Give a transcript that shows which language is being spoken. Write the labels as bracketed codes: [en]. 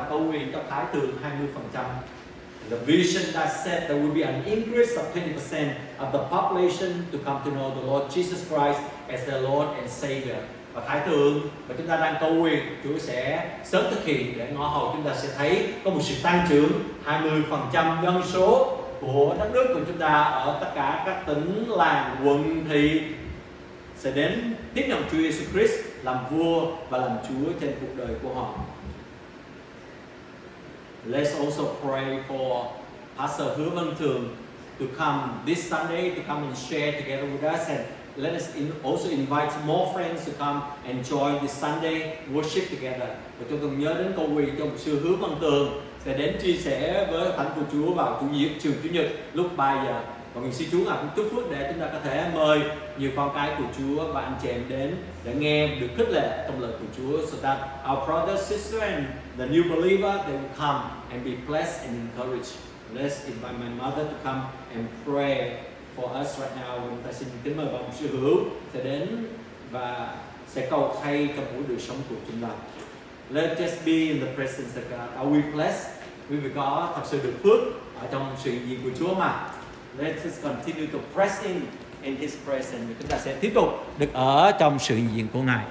[en] The vision that said there will be an increase of 20% of the population to come to know the Lord Jesus Christ as their Lord and Savior. [vi] Và thái tượng mà chúng ta đang cầu nguyện Chúa sẽ sớm thực hiện để ngõ hầu chúng ta sẽ thấy có một sự tăng trưởng 20% dân số của đất nước của chúng ta ở tất cả các tỉnh, làng, quận, thị sẽ đến tiếp nhận Chúa Jesus Christ làm vua và làm Chúa trên cuộc đời của họ. [en] Let's also pray for Pastor Hứa Văn Thường to come this Sunday to come and share together with us, and let us also invite more friends to come and join this Sunday worship together. [vi] Và chúng tôi nhớ đến cầu nguyện cho Sư Hứa Văn Thường sẽ đến chia sẻ với Thánh của Chúa vào Chủ nhật trường Chủ nhật lúc 3 giờ. Và nguyện Sư Chúa cũng chúc phước để chúng ta có thể mời nhiều con cái của Chúa và anh chị em đến để nghe được khích lệ trong lời của Chúa, [en] so that our brothers, sisters and the new believer, they will come and be blessed and encouraged. Let's invite my mother to come and pray for us right now. [vi] Chúng ta xin kính mời ông Sư Hữu sẽ đến và sẽ cầu thay cho mỗi đời sống của chúng ta. Let's just be in the presence of God. Are we blessed? [en] We will [vi] có thật sự được phước ở trong sự hiện diện của Chúa mà. [en] Let's just continue to press in His presence. [vi] Chúng ta sẽ tiếp tục được ở trong sự hiện diện của Ngài.